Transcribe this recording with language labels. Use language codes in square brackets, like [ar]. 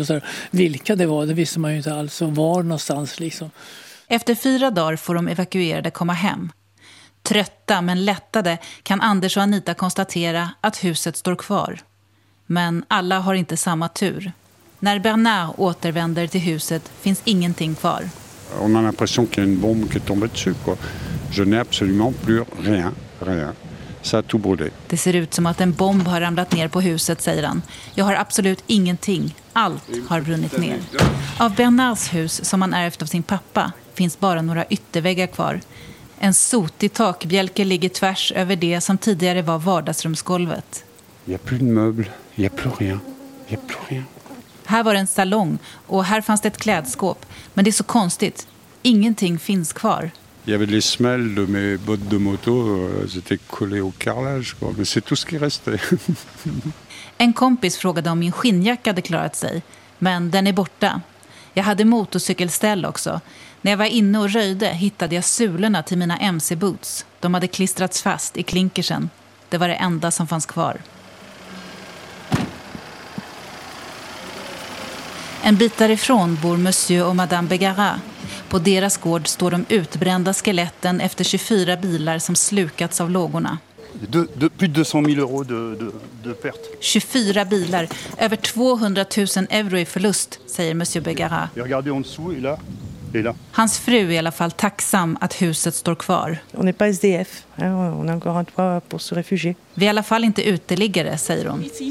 [sv] Och så vilka det var, det visste man ju inte alls. Och var någonstans liksom. Efter 4 dagar får de evakuerade komma hem. Trötta men lättade kan Anders och Anita konstatera att huset står kvar. Men alla har inte samma tur. När Bernard återvänder till huset finns ingenting kvar. [fr] On a l'impression qu'il y a une bombe qui est tombée dessus quoi. Je n'ai absolument plus rien. Ça a tout brûlé. [sv] Det ser ut som att en bomb har ramlat ner på huset, säger han. Jag har absolut ingenting. Allt har brunnit ner. Av Bernards hus som han ärvt av sin pappa finns bara några ytterväggar kvar. En sotig takbjälke ligger tvärs över det som tidigare var vardagsrumsgolvet. [fr] Il y a plus de meubles, il y a plus rien. Il y a plus rien. [sv] Här var en salong och här fanns det ett klädskåp, men det är så konstigt. Ingenting finns kvar. [fr] Il y avait les semelles de mes bottes de moto, c'était collé au carrelage quoi, mais c'est tout ce qui restait. [sv] En kompis frågade om min skinnjacka hade klarat sig, men den är borta. Jag hade motorcykelställ också. När jag var inne och röjde hittade jag sulorna till mina MC-boots. De hade klistrats fast i klinkersen. Det var det enda som fanns kvar. En bit därifrån bor Monsieur och Madame Begara. På deras gård står de utbrända skeletten efter 24 bilar som slukats av lågorna. [fr] Plus de 200 000 euro de perte. [sv] 24 bilar, över 200 000 euro i förlust, säger Monsieur Begara. [fr] Jag regardé en dessous et là. [sv] Hans fru är i alla fall tacksam att huset står kvar. [fr] On est pas SDF, on a encore un toit pour se réfugier. [sv] Vi är i alla fall inte uteliggare, säger hon.